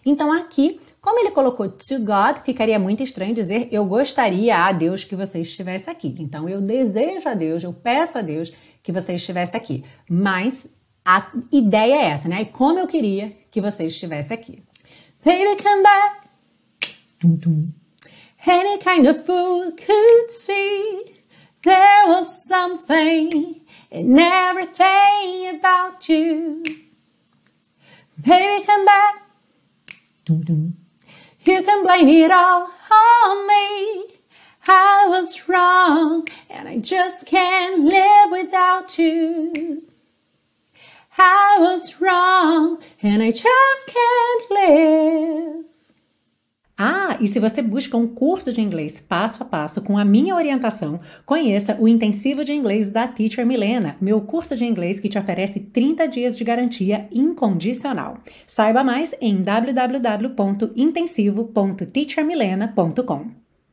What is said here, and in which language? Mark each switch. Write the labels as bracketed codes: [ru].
[pt] Então aqui, como ele colocou [en] to God, [pt] ficaria muito estranho dizer eu gostaria a Deus que você estivesse aqui. Então eu desejo a Deus, eu peço a Deus que você estivesse aqui. Mas a ideia é essa, né? E como eu queria que você estivesse aqui. [en] Baby, come back. Tum, tum. Any kind of fool could see there was something in everything about you. Baby, come back. Tum, tum. You can blame it all on me. I was wrong, and I just can't live without you. I was wrong, and I just can't live. [pt] Ah, e se você busca um curso de inglês passo a passo com a minha orientação, conheça o Intensivo de Inglês da Teacher Milena, meu curso de inglês que te oferece 30 dias de garantia incondicional. Saiba mais em www.intensivo.teachermilena.com.